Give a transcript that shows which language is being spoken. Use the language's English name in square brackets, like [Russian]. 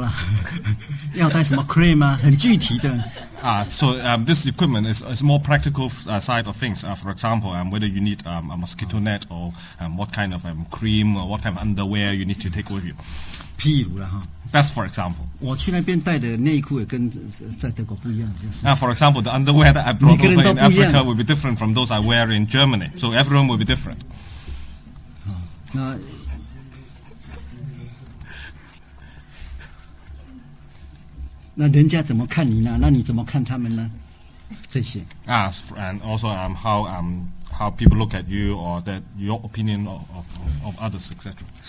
[Chinese] 内衣裤要带什么？譬如说了，要带什么 cream 啊？很具体的。 [English] This equipment is more practical side of things. For example, whether you need a mosquito net or what kind of cream or what kind of underwear you need to take with you. [Chinese] 譬如了哈。 [English] That's for example. [Chinese] 我去那边带的内衣裤也跟在德国不一样，就是。 [English] For example, the underwear that I brought over in Africa will be different from those I wear in Germany. So everyone will be different. [Chinese] 那。那人家怎么看你呢？那你怎么看他们呢？这些 [English] and also how people look at you or that your opinion of others, etc.